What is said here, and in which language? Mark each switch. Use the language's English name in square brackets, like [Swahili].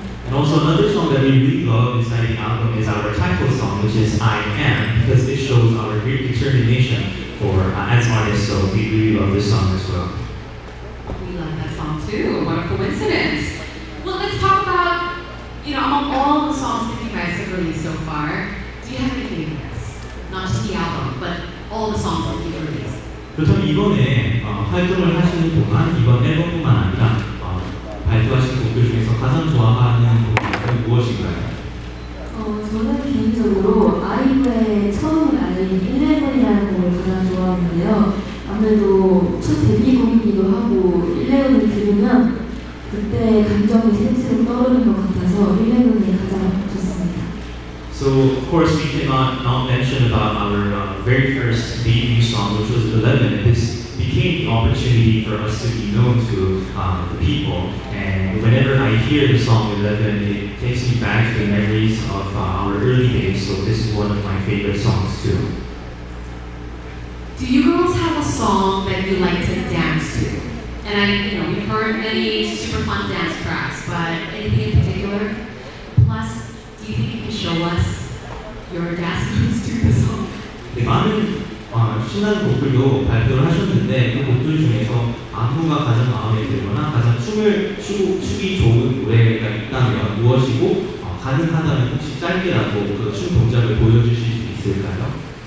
[English] And also another song that we really love inside the album is our title song, which is I Am, because it shows our great determination for as artists, so we really love this song as well. We love that song too, what a coincidence. Well, let's talk about, you know, among all the songs that you guys have released so far, do you have any favorites? Not just the album, but all the songs that you've released. [Korean] 그렇다면 이번에 활동을 하시는 동안 이번 앨범뿐만 아니라 발표하신 곡들 중에서 가장 좋아하는 곡은 무엇인가요? 저는 개인적으로 IVE의 처음 알린 11이라는 곡을 가장 좋아하는데요. 아무래도 첫 데뷔곡이기도 하고 11을 들으면 그때 감정이 새록새록 떠오르는 것 같아서 11이 가장 좋습니다. [English] So of course we cannot not mention about our very first debut song, which was 11. This became the opportunity for us to be known to the people. And whenever I hear the song 11, it takes me back to the memories of our early days. So this is one of my favorite songs too. Do you girls have a song that you like to dance to? And I, you know, we've heard many super fun dance tracks, but anything in particular? Plus, do you think you can show us your dance moves to the song? [Korean] 네, 많은 신나는 곡들도 발표를 하셨는데 그 곡들 중에서 안무가 가장 마음에 들거나 가장 춤을 추기 좋은 노래가 있다면 무엇이고 가능하다면 혹시 짧게라도 그 춤 동작을 보여주실 수 있을까요?